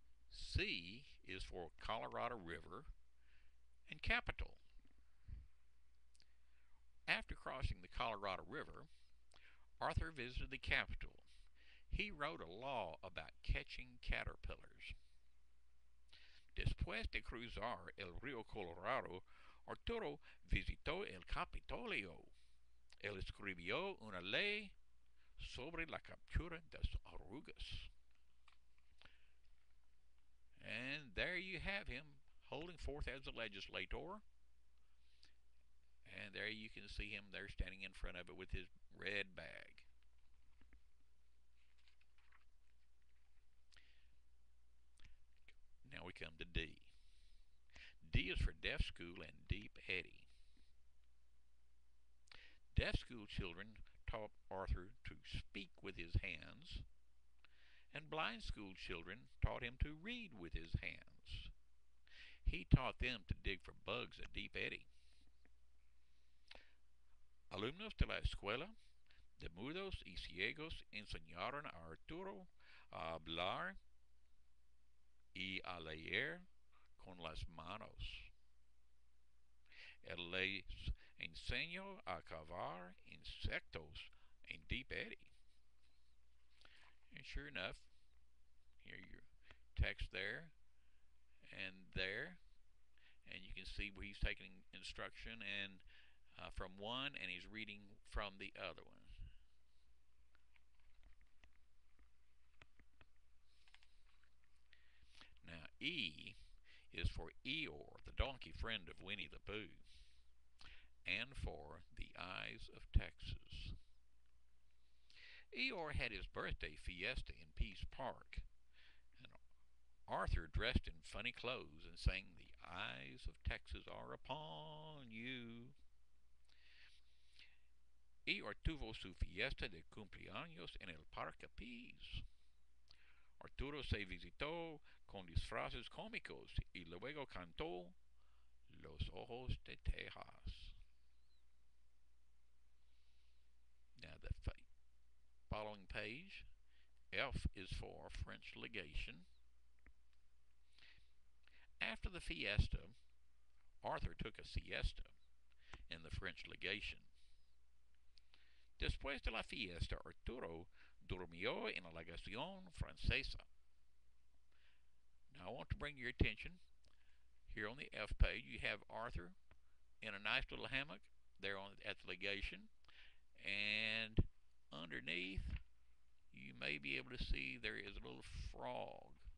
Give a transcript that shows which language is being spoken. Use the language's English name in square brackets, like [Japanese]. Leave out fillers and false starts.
[English] C is for Colorado River and Capitol. After crossing the Colorado River, Arthur visited the Capitol. He wrote a law about catching caterpillars. [Spanish] Después de cruzar el río Colorado, Arturo visitó el Capitolio. Él escribió una ley sobre la captura de las orugas. [English] And there you have him holding forth as a legislator. And there you can see him there standing in front of it with his red bag. Now we come to D. D is for Deaf School and Deep Eddy. Deaf school children taught Arthur to speak with his hands. And blind school children taught him to read with his hands. He taught them to dig for bugs at Deep Eddy. [Spanish] Alumnos de la escuela de mudos y ciegos enseñaron a Arturo a hablar y a leer con las manos. Él les enseñó a cavar insectos en Deep Eddy. [English] And sure enough, here your text there and there, and you can see where he's taking instruction and from one, and he's reading from the other one. Now, E is for Eeyore, the donkey friend of Winnie the Pooh, and for the Eyes of Texas. Eeyore had his birthday fiesta in Peace Park, and Arthur dressed in funny clothes and sang, "The Eyes of Texas are upon you." [Spanish] Eeyore tuvo su fiesta de cumpleaños en el Parque Pease. Arturo se visitó con disfraces cómicos y luego cantó Los Ojos de Texas. [English] Now the following page, F is for French Legation. After the fiesta, Arthur took a siesta in the French Legation. [Spanish] Después de la fiesta, Arturo durmió en la legación francesa. [English] Now I want to bring your attention. Here on the F page, you have Arthur in a nice little hammock there on at the legation. And underneath, you may be able to see there is a little frog.